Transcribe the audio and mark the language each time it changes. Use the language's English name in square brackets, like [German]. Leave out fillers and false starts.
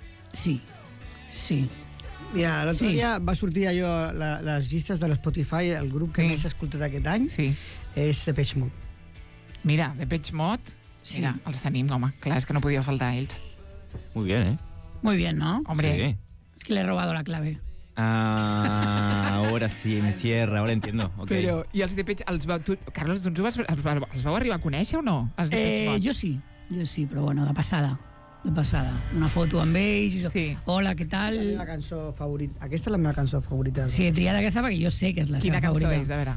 [Spanish] Sí, sí. [Catalan] Mira, l'altre dia va sortir allò les llistes de l'Spotify, el grup que més escoltat aquest any, és Depeche Mode. Mira, Depeche Mode, mira, els tenim, home. Clar, és que no podia faltar ells. [Spanish] Muy bien, ¿eh? Muy bien, ¿no? Hombre, sí. Es que le he robado la clave. Ah, ahora sí, me cierra, ahora entiendo. [English] Okay. [Catalan] Pero, ¿y els de Peach, Carlos, tu els vau arribar a conèixer o no? Els de jo sí, però bueno, de passada. Una foto amb ells, hola, què tal? Aquesta és la meva cançó favorita. Sí, he triat aquesta perquè jo sé que és la seva favorita. Quina cançó és, a veure?